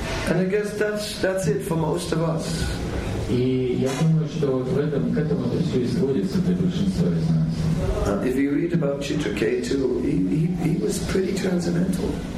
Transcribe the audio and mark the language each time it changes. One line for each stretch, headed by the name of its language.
English: And I guess that's it for most of us.
Russian: И я думаю, что в этом к этому все и сводится для большинства из нас.
English: And if you read about Chitraketu, he was pretty transcendental.